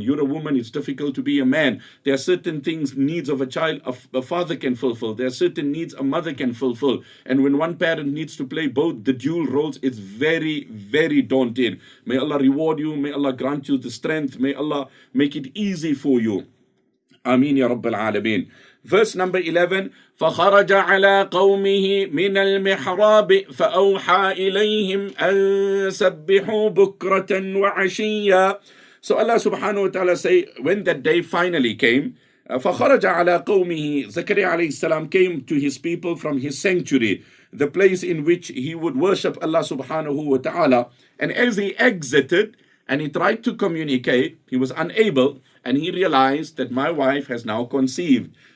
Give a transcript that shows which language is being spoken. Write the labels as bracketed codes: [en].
[en] You're a woman, it's difficult to be a man. There are certain things, needs of a child, a father can fulfill. There are certain needs a mother can fulfill. And when one parent needs to play both the dual roles, it's very, very daunting. May Allah reward you. May Allah grant you the strength. May Allah make it easy for you. Ameen, Ya Rabbil Alameen. Verse number 11, [ar] فَخَرَجَ عَلَىٰ قَوْمِهِ مِنَ الْمِحْرَابِ فَأَوْحَىٰ إِلَيْهِمْ أَن سَبِّحُوا بُكْرَةً وَعَشِيًّا. [en] So Allah subhanahu wa ta'ala say, when that day finally came, [ar] فَخَرَجَ عَلَىٰ قَوْمِهِ, [en] Zakariya alayhi salam came to his people from his sanctuary, the place in which he would worship Allah subhanahu wa ta'ala. And as he exited and he tried to communicate, he was unable, and he realized that my wife has now conceived.